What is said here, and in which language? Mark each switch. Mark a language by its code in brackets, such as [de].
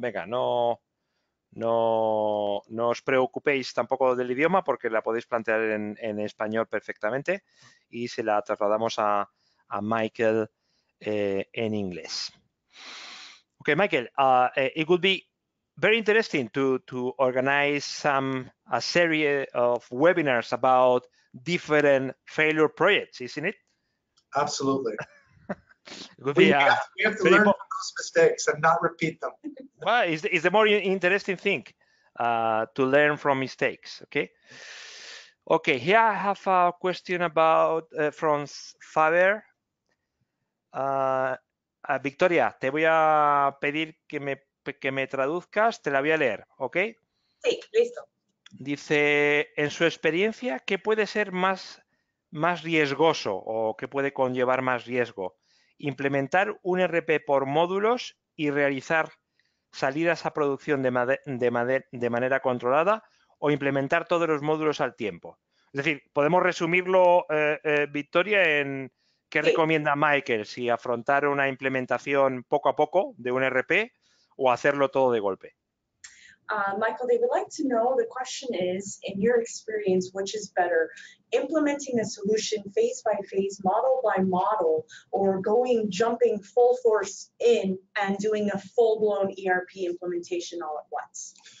[es] Venga, No os preocupéis tampoco del idioma porque la podéis plantear en español perfectamente y se la trasladamos a Michael en inglés. [en] Okay, Michael, it would be very interesting to organize a series of webinars about different failure projects, isn't it? Absolutely. We have to learn from those mistakes and not repeat them. Well, it's the more interesting thing to learn from mistakes. Okay. Here I have a question about from Faber. [es] Victoria, te voy a pedir que me traduzcas. Te la voy a leer. Okay. Sí, listo. Dice, en su experiencia, ¿qué puede ser más riesgoso o qué puede conllevar más riesgo? Implementar un ERP por módulos y realizar salidas a producción de manera controlada o implementar todos los módulos al tiempo. Es decir, podemos resumirlo, Victoria, en qué recomienda Michael, si afrontar una implementación poco a poco de un ERP o hacerlo todo de golpe. [en] Michael, they would like to know, the question is, in your experience, which is better, implementing a solution phase by phase, model by model, or jumping full force in and doing a full-blown ERP implementation all at once?